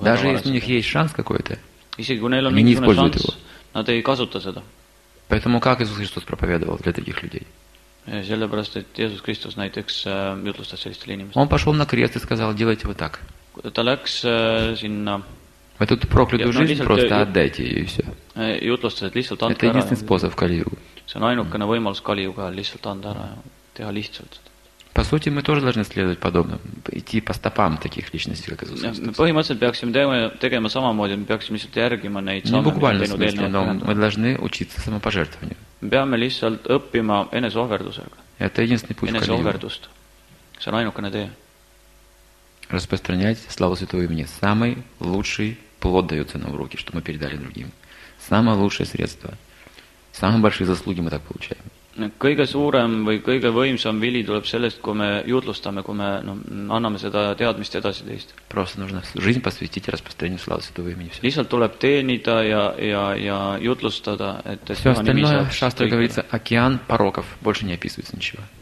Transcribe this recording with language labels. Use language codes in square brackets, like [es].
[ru] Даже если у них есть шанс какой-то, [et] isegi kui neil on mingisugune шанс, nad ei kasuta seda. [ru] Поэтому как Иисус Христос проповедовал для таких людей? [et] Sellepärast, et Jeesus Kristus näiteks jutlustas sellistele inimestele. [ru] Он пошел на крест и сказал, делайте вот так. [et] Ta läks sinna... Või [ru] тут проклятую жизнь просто отдайте ее и все. [et] Jutlustas, et lihtsalt anda ära. [ru] Это единственный способ Кали-югу. [et] See on ainukene võimalus Kali-jugal lihtsalt anda ära ja teha lihtsalt. [ru] По сути, мы тоже должны следовать подобным, идти по стопам таких личностей, как Иисус Христос. [et] Мы põhimõtteliselt peaksime tegema samamoodi, мы peaksime lihtsalt järgima neid samme. [ru] Не буквально в смысле, но мы должны учиться самопожертвованию. [et] Me peame lihtsalt õppima eneseohverdusega. [ru] Это единственный путь к Иисусу. [et] Eneseohverdust. See on ainukene tee. [ru] Распространять славу Святого имени. Самый лучший плод дается нам в руки, что мы передали другим. Самое лучшее средство. Самые большие заслуги мы так получаем. [et] Kõige suurem või kõige võimsam vili tuleb sellest, kui me jutlustame, kui me anname seda teadmist edasi teist. [ru] Просто нужно жизнь посвятить и распространению славы Святого имени. [et] Lihtsalt tuleb teenida ja jutlustada. [ru] Все остальное, шастра говорится, океан пороков, больше не описывается ничего.